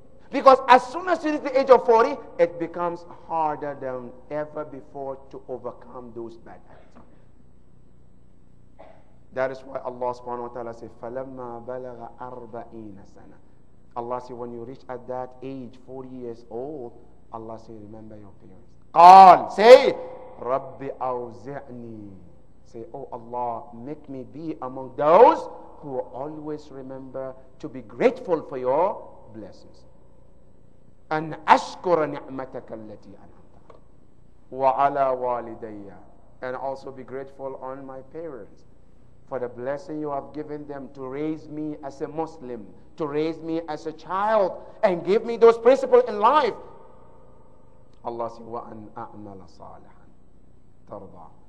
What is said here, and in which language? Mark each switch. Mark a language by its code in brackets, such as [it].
[en] Because as soon as you reach the age of 40, it becomes harder than ever before to overcome those bad habits. That is why Allah subhanahu wa ta'ala says, [ar] فَلَمَّا بَلَغَ أَرْبَعِينَ سَنَةً. [en] Allah says, when you reach at that age, 40 years old, Allah says, remember your parents. [ar] قال, [en] say, [ar] رَبِّ أَوْزِعْنِي. [en] Say, oh Allah, make me be among those who always remember to be grateful for your blessings. [ar] أن أشكر نعمتك التي أنعمت وعلى والدي. [en] And also be grateful on my parents for the blessing you have given them to raise me as a Muslim, to raise me as a child, and give me those principles in life. Allah says, [ar] وأن أعمل صالحا ترضى.